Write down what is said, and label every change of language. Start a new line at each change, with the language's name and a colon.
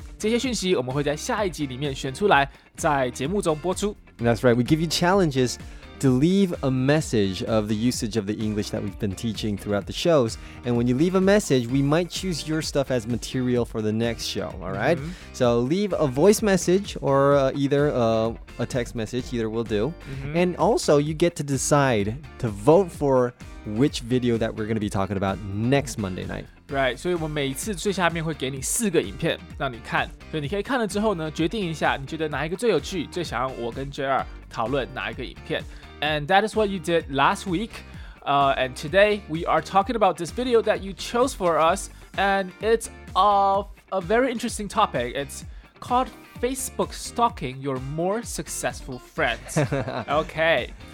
Chinese: 这些讯息我们会在下一集里面选出来，在节目中播出。
English: That's right, we give you challenges. To leave a message of the usage of the English that we've been teaching throughout the shows. And when you leave a message, we might choose your stuff as material for the next show, all right? Mm-hmm. So leave a voice message or a text message, either will do. Mm-hmm. And also, you get to decide to vote for which video that we're going to be talking about next Monday night.
Chinese: Right, 所以我们每次最下面会给你四个影片让你看，所以你可以看了之后呢，决定一下你觉得哪一个最有趣，最想要我跟 JR 讨论哪一个影片。
English: And that is what you did last week. And today we are talking about this video that you chose for us, and it's of a very interesting topic. It's called Facebook stalking your more successful friends. Okay.